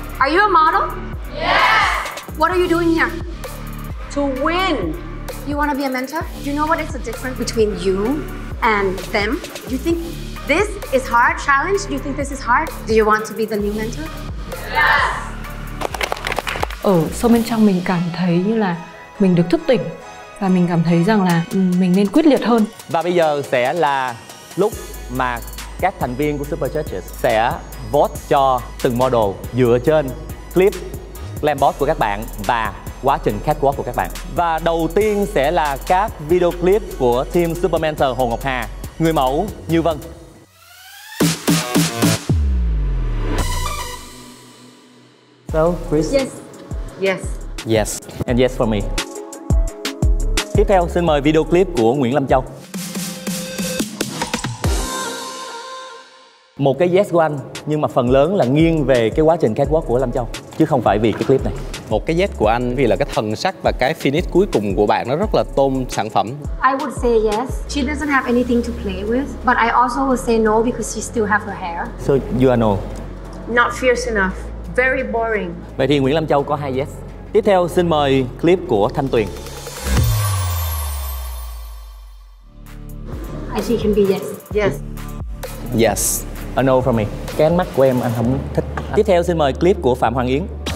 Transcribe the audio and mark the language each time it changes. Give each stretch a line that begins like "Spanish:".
English: Are you a model? Yes. What are you doing here? To win. You want to be a mentor? Do you know what is the difference between you and them? Do you think this is hard challenge? Do you think this is hard? Do you want to be the new mentor? Yes.
Vietnamese: Ở sâu bên trong mình cảm thấy như là mình được thức tỉnh. Và mình cảm thấy rằng là mình nên quyết liệt hơn. Và bây giờ sẽ là lúc mà các thành viên của Super Judges sẽ vote cho từng model dựa trên clip glam boss của các bạn và quá trình catwalk của các bạn. Và đầu tiên sẽ là các video clip của team Super Mentor Hồ Ngọc Hà, người mẫu Như Vân.
English: So, Chris? Yes. Yes. Yes. And yes for me.
Vietnamese: Tiếp theo xin mời video clip của Nguyễn Lâm Châu. Một cái yes của anh, nhưng mà phần lớn là nghiêng về cái quá trình catwalk của Lâm Châu, chứ không phải vì cái clip này. Một cái yes của anh vì là cái thần sắc và cái finish cuối cùng của bạn nó rất là tôn sản phẩm.
English: I would say yes. She doesn't have anything to play with, but I also would say no because she still have her hair. So you are no. Not fierce enough. Very boring.
Vietnamese: Vậy thì Nguyễn Lâm Châu có hai yes. Tiếp theo xin mời clip của Thanh Tuyền.
English: I think it can be yes. Yes. Yes. A no from me.
Vietnamese: Cái ánh mắt của em anh không thích. Tiếp theo xin mời clip của Phạm Hoàng Yến.